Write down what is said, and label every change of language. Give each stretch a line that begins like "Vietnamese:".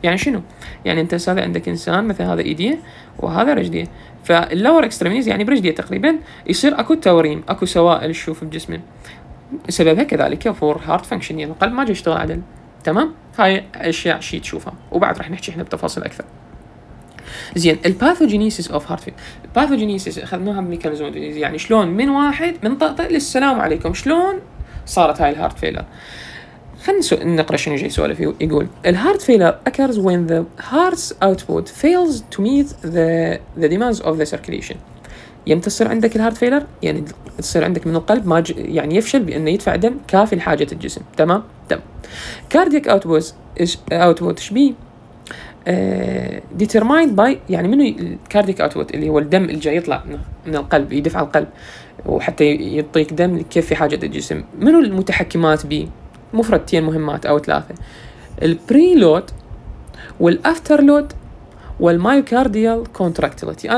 Arabic: يعني شنو؟ يعني انت هسه عندك انسان مثل هذا ايديه وهذا رجليه، فاللور اكستريميز يعني برجليه تقريبا يصير اكو توريم، اكو سوائل تشوف بجسمه، سببها كذلك فور هارت فانكشن، يعني القلب ما جاي يشتغل عدل. تمام، هاي اشياء شيء تشوفها، وبعد راح نحكي احنا بتفاصيل اكثر. زين، الباثوجينيسيس اوف هارت فيلر، الباثوجينيسيس اخذناها ميكانيزم، يعني شلون من واحد من طقطق للسلام عليكم شلون صارت هاي الهارت فيلر. خلينا نقرا شنو جاي سؤال فيه. يقول الهارت فيلر
English: occurs when the heart's output fails to meet the demands of the circulation.
Arabic: يمتصر عندك الهارت فيلر، يعني تصير عندك من القلب ما يعني يفشل بانه يدفع دم كافي لحاجه الجسم. تمام، تمام.
English: cardiac output is output
Arabic: شبيه
English: determined by،
Arabic: يعني منو الكارديك اوتبوت اللي هو الدم اللي جاي يطلع من القلب يدفع القلب وحتى يعطيك دم لكيف في حاجه الجسم، منو المتحكمات به؟ مفردتين مهمات او ثلاثه، البري لود والافتر لود والمايوكارديال كونتراكتيليتي.